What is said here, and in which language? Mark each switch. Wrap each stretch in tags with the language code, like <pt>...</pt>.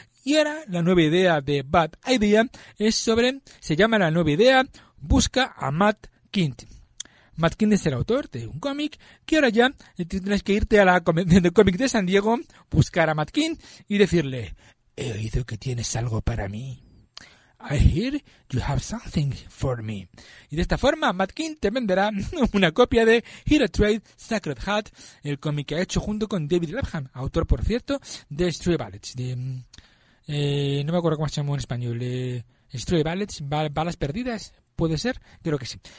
<es>Y ahora la nueva idea de Bad Idea es sobre, se llama la nueva idea, Busca a Matt Kind. Matt Kind es el autor de un cómic que ahora ya tienes que irte a la convención de cómic de San Diego, buscar a Matt Kind y decirle: he oído que tienes algo para mí.</es> <en>I hear you have something for me.</en> <es>Y de esta forma, Matt Kind te venderá una copia de Hero Trade Sacred Heart, el cómic que ha hecho junto con David Lapham, autor, por cierto, de Stray Ballets. No me acuerdo cómo se llama en español. Stray Ballets, Balas Perdidas. ¿Puede ser? Creo que sí.</es>